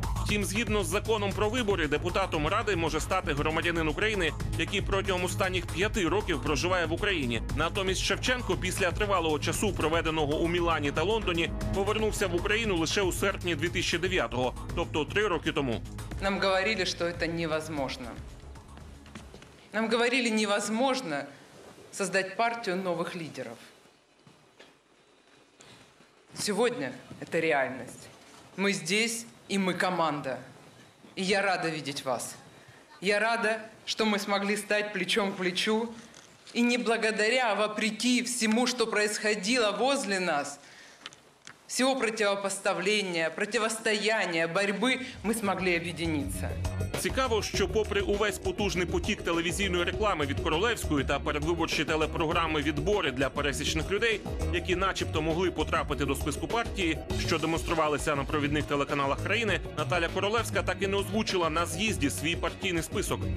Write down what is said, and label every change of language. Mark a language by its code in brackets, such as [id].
[uk] Втім, згідно з законом про вибори, депутатом Ради може стати громадянин України, який протягом останніх 5 років проживає в Україні. Натомість Шевченко після тривалого часу, проведеного у Мілані та Лондоні, повернувся в Україну лише у серпні 2009-го, тобто 3 роки тому. [ru] Нам говорили, [uk] що це [ru] невозможно. Нам говорили, невозможно создать партию новых лидеров. Сегодня это реальность. Мы здесь и мы команда. И я рада видеть вас. Я рада, что мы смогли стать плечом к плечу. И не благодаря, а вопреки всему, что происходило возле нас, всего противопоставления, противостояния, борьбы, мы смогли объединиться. [uk] Цікаво, що попри увесь потужний потік телевізійної реклами від Королевської та передвиборчі телепрограми «Відбори» для пересічних людей, які начебто могли потрапити до списку партії, що демонструвалися на провідних телеканалах країни, Наталя Королевська так і не озвучила на з'їзді свій партійний список.